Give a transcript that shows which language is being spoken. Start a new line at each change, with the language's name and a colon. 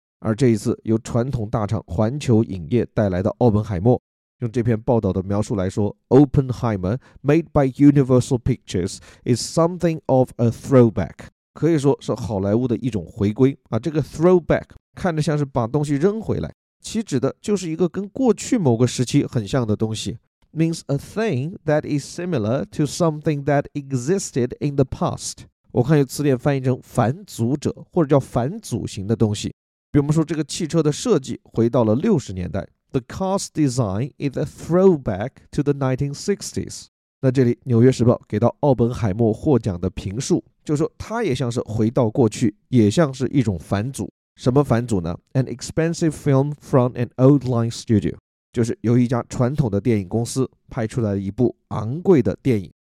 Chinese: 而这一次由传统大厂环球影业带来的奥本海默，用这篇报道的描述来说，
English: Oppenheimer made by Universal Pictures is something of a throwback，
Chinese: 可以说是好莱坞的一种回归啊。这个 throwback 看着像是把东西扔回来，其指的就是一个跟过去某个时期很像的东西。
English: Means a thing that is similar to something that existed in the past。
Chinese: 我看有词典翻译成返祖者，或者叫返祖型的东西。比如说这个汽车的设计回到了60年代，
English: The car's design is a throwback to the 1960s。
Chinese: 那这里纽约时报给到奥本海默获奖的评述，就说它也像是回到过去，也像是一种返祖。什么返祖呢？
English: An expensive film from an old line studio，
Chinese: 就是由一家传统的电影公司拍出来的一部昂贵的电影。